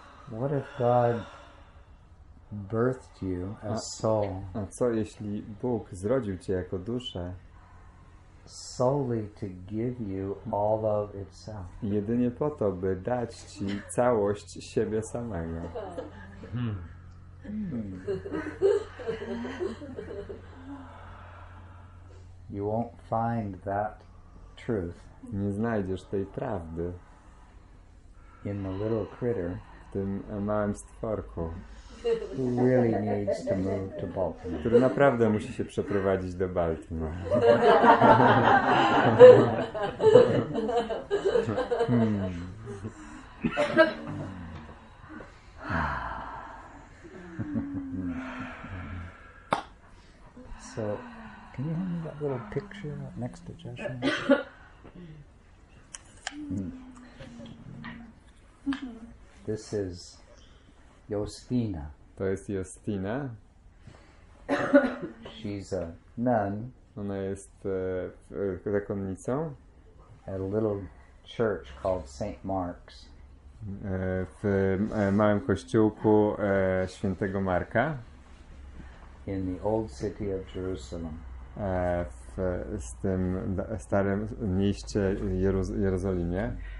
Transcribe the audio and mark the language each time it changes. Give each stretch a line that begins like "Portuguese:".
English: What if God birthed you as soul?
Polish: A co jeśli Bóg zrodził cię jako duszę?
English: Solely to give you all of itself.
Polish: Jedynie po to, by dać ci całość siebie samego.
English: You won't find that truth.
Polish: Nie znajdziesz tej prawdy.
English: In the little critter.
Polish: W tym małym stworku,
English: who really needs to move to Baltimore.
Polish: Który naprawdę musi się przeprowadzić do Baltimore.
English: So, can you hand me that little picture next to Joshua? This is Justina.
Polish: To jest Justina.
English: She's a nun.
Polish: Ona jest zakonnicą.
English: At a little church called St. Mark's.
Polish: W małym kościółku Świętego Marka.
English: In the old city of Jerusalem.
Polish: W tym starym mieście Jerozolimie.